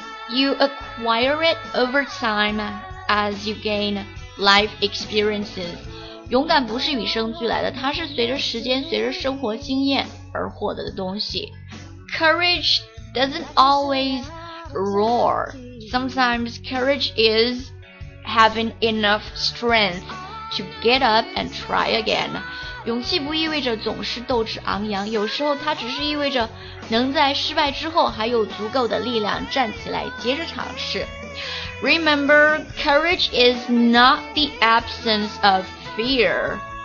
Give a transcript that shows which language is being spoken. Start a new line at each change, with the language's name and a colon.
English: You acquire it over time as you gain life experiences.
Chinese: 勇敢不是与生俱来的，它是随着时间、随着生活经验而获得的东西。
English: Courage doesn't always roar. Sometimes courage is having enough strength to get up and try again.
Chinese: 勇气不意味着总是斗志昂扬，有时候它只是意味着能在失败之后还有足够的力量站起来接着尝试。
English: Remember, courage is not the absence of fear.